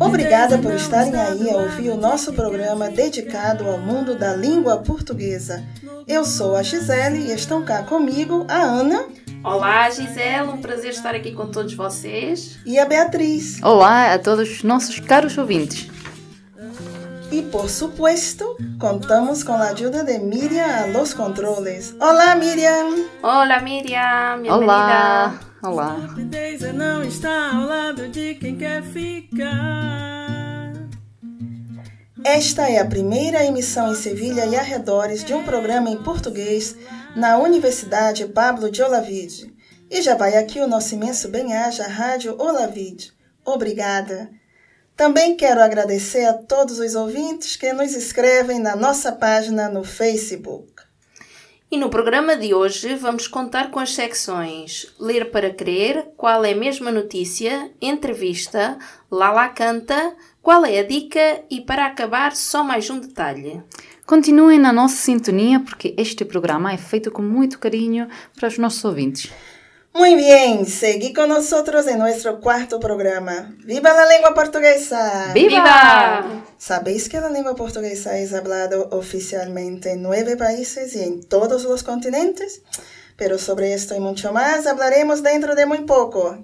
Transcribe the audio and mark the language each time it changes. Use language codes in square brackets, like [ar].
[pt] Obrigada por estarem aí a ouvir o nosso programa dedicado ao mundo da língua portuguesa. Eu sou a Gisele e estão cá comigo a Ana. Olá, Gisele, um prazer estar aqui com todos vocês. E a Beatriz. Olá a todos os nossos caros ouvintes. [es] E, por supuesto, contamos com a ajuda de Miriam a los controles. [pt] Olá, Miriam! Olá, Miriam! Olá! Olá! Estupidez é não estar ao lado de quem quer ficar. Esta é a primeira emissão em Sevilha e arredores de um programa em português na Universidade Pablo de Olavide. E já vai aqui o nosso imenso bem-aja Rádio Olavide. Obrigada! Também quero agradecer a todos os ouvintes que nos escrevem na nossa página no Facebook. E no programa de hoje vamos contar com as secções Ler para Crer, Qual é a Mesma Notícia, Entrevista, Lala Canta, Qual é a Dica e, para acabar, só mais um detalhe. Continuem na nossa sintonia porque este programa é feito com muito carinho para os nossos ouvintes. [es] Muy bien, seguí con nosotros en nuestro cuarto programa. ¡Viva la lengua portuguesa! ¡Viva! ¿Sabéis que la lengua portuguesa es hablada oficialmente en 9 países y en todos los continentes? Pero sobre esto y mucho más hablaremos dentro de muy poco.